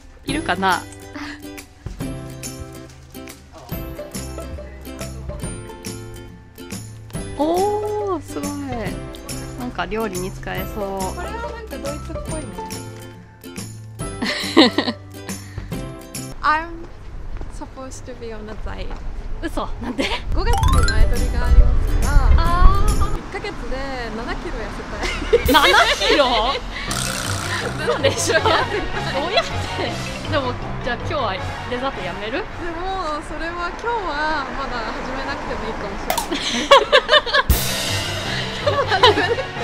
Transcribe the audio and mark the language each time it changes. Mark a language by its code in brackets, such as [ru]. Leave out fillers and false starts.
[ja] いるかな。おお、すごい、なんか料理に使えそう。これはなんかドイツっぽいね。 [en] I'm supposed to be on a diet. [ja] 嘘、なんで。 5月の前撮りがありますから。あ、 1ヶ月で7キロ痩せたい。 7キロどうでしょう。どうやって。でもじゃあ今日はデザートやめる。でもそれは今日はまだ始めなくてもいいかもしれない。